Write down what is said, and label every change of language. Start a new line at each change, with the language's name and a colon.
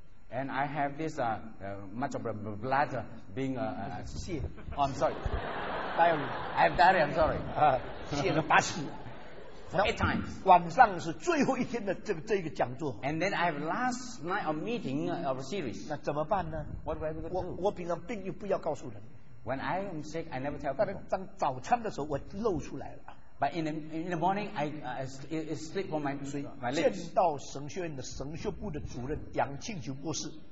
English: And I have this much of a bladder being a shit. Oh, I'm sorry. Diarrhea. I have diarrhea, I'm sorry. Shit,
Chinese: 八次
English: For eight times.
Chinese: 晚上是最后一天的这个讲座。
English: And then I have last night of meeting of a series.
Chinese: 那怎么办呢？
English: What do I have to do?
Chinese: 我平常病又不要告诉人。
English: When I am sick, I never tell people.
Chinese: 但是当早餐的时候我露出来了。
English: But in the morning, I slip on my lips.
Chinese: 见到神学院的神学部的主任杨庆球博士。